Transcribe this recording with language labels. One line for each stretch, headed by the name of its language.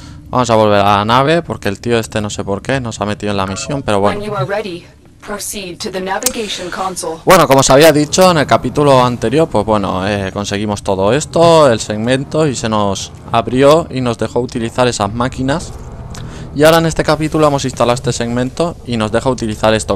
Spanish: Vamos a volver a la nave porque el tío este no sé por qué nos ha metido en la misión, pero bueno.
English: When you are ready, proceed to the navigation console.
Spanish: Bueno, como os había dicho en el capítulo anterior, pues bueno, conseguimos todo esto, el segmento, y se nos abrió y nos dejó utilizar esas máquinas. Y ahora en este capítulo hemos instalado este segmento y nos deja utilizar esto.